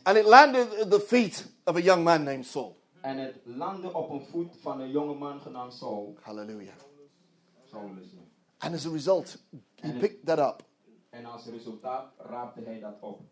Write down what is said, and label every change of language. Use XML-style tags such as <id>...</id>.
<en>And it landed at the feet of a young man named Saul.</en> <nl>En het landde op een voet van een jonge man genaamd Saul.</nl> <en>Hallelujah. Saul is And as a result, he picked that up.</en> <nl>En als resultaat raapte hij dat op.</nl>